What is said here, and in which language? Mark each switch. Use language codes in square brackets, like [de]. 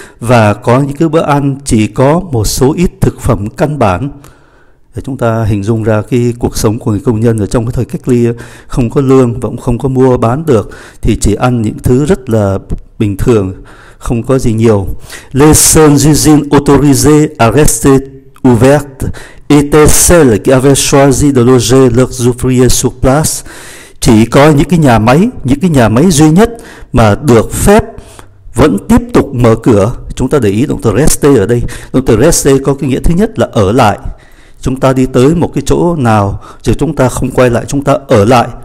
[vi] Và có những cái bữa ăn chỉ có một số ít thực phẩm căn bản. Để chúng ta hình dung ra cái cuộc sống của người công nhân ở trong cái thời cách ly, không có lương và cũng không có mua bán được, thì chỉ ăn những thứ rất là bình thường, không có gì nhiều. [fr] Les seules usines autorisées à rester ouvertes étaient celles qui avaient choisi de loger leurs ouvriers sur place. [vi] Chỉ có những cái nhà máy duy nhất mà được phép vẫn tiếp tục mở cửa. Chúng ta để ý động từ rester ở đây. Động từ rester có cái nghĩa thứ nhất là ở lại. Chúng ta đi tới một cái chỗ nào rồi chúng ta không quay lại, chúng ta ở lại.